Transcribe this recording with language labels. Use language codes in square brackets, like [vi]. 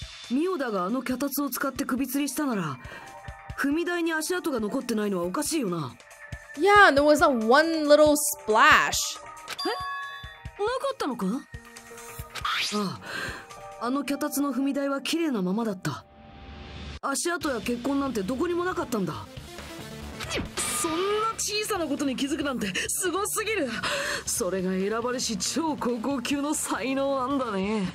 [ja] ミオダがあの脚立を使って首吊りしたなら、踏み台に足跡が残ってないのはおかしいよな。 [en] Yeah, and there was that one little splash. [ja] なかったのか？ああ、あの脚立の踏み台は綺麗なままだった。足跡や血痕なんてどこにもなかったんだ。そんな小さなことに気づくなんてすごすぎる。それが選ばれし超高校級の才能なんだね。